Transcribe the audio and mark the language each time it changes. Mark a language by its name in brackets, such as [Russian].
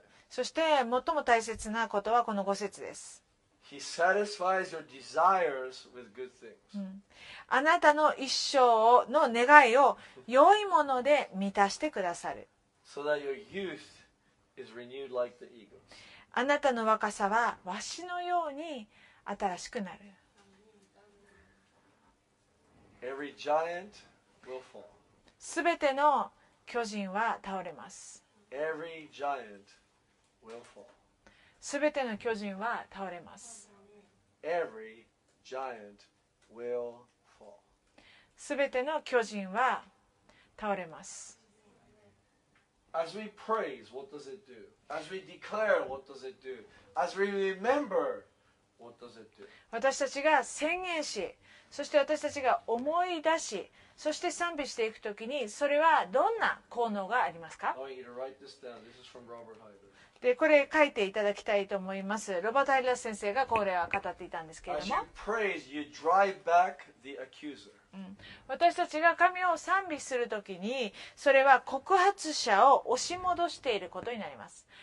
[Japanese] そして最も大切なことはこの5節です。 [English] He satisfies your desires with good things. [Japanese] あなたの一生の願いを良いもので満たしてくださる。 [English] So that your youth is renewed like the eagles. [Japanese] あなたの若さはワシのように新しくなる。 [English] Every giant will fall. [Japanese] すべての巨人は倒れます。 [English] Every giant will fall. [Japanese] すべての巨人は倒れます。 [English] Every giant will fall. [Japanese] すべての巨人は倒れます。 [English] As we praise, what does it do? As we declare, what does it do? As we remember, what does it do? [Japanese] 私たちが宣言し、そして私たちが思い出し、そして賛美していくときに、それはどんな効能がありますか？ [English] I want you to write this down. This is from Robert Hyder. [Japanese] でこれ書いていただきたいと思います。ロバート・ハイラス先生がこれは語っていたんですけれども、 [English] As you praise, you drive back the accuser. [Japanese] 私たちが神を賛美するときに、それは告発者を押し戻していることになります。